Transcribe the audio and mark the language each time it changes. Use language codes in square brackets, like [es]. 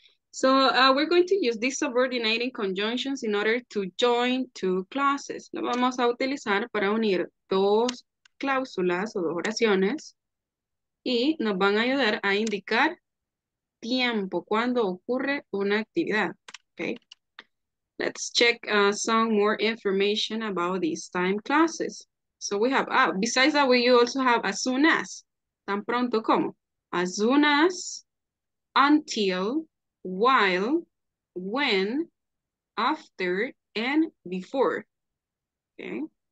[en] So we're going to use these subordinating conjunctions in order to join two clauses. [es] Lo vamos a utilizar para unir dos cláusulas o dos oraciones y nos van a ayudar a indicar tiempo, cuando ocurre una actividad. [en] Okay. Let's check some more information about these time clauses. So we have, besides that, we also have as soon as, [es] tan pronto como, [en] as soon as, until, while, when, after, and before. Okay.